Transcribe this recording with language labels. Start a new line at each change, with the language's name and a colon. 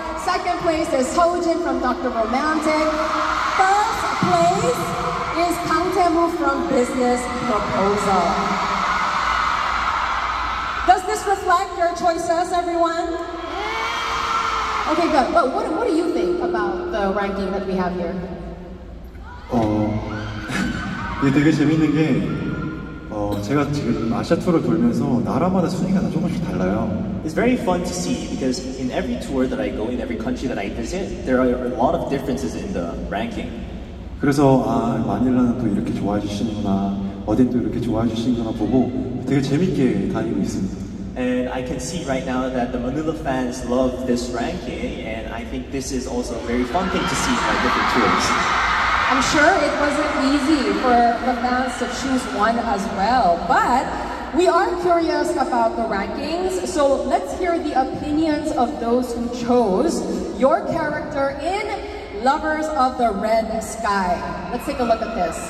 English: Second place is Seo-jin from Dr. Romantic. First place is Kang Tae-moo from Business Proposal. Does this reflect your choices, everyone? Okay, good. But what do you think about the ranking that we have here?
Korean: 이게 되게 재밌는 게 제가 지금 아시아 투어를 돌면서 나라마다 순위가 다 조금씩 달라요.
English: It's very fun to see because in every tour that I go, in every country that I visit, there are a lot of differences in the ranking.
Korean: 그래서 아 마닐라는 또 이렇게 좋아해 주시는구나, 어딘 또 이렇게 좋아해 주시는구나 보고 되게 재밌게 다니고 있습니다.
English: And I can see right now that the Manila fans love this ranking, and I think this is also a very fun thing to see by different tours. I'm sure it wasn't easy for the fans to choose one as well, but we are curious about the rankings, so let's hear the opinions of those who chose your character in Lovers of the Red Sky. Let's take a look at this.